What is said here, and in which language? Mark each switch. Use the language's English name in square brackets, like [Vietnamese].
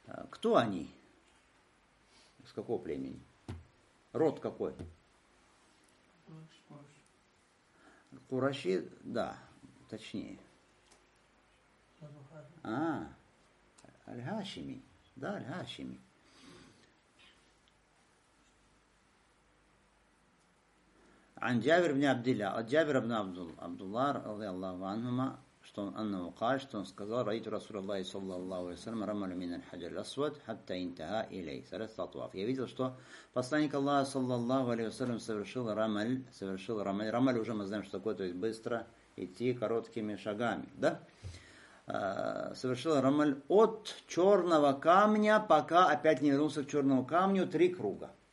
[Russian] Кто они? С какого племени? Род какой? Кураши, да, точнее. А, Аль-Хашими, да, Аль-Хашими. [Arabic] عن جابر بن عبد الله от جابر بن عبد الله رضي الله عنهما что он анну قال [Russian] что он сказал [Arabic] رأيت رسول الله صلى الله عليه وسلم رمل من الحجر الأسود حتى انتهى إليه ثلاث أطواف. [Russian] Я видел, что посланник Аллаха [Arabic] صلى الله عليه وسلم [Russian] совершил рамаль. Рамаль уже мы знаем, что такое, то есть быстро идти короткими шагами, да? Совершил рамаль от черного камня, пока опять не вернулся к черному камню, три круга.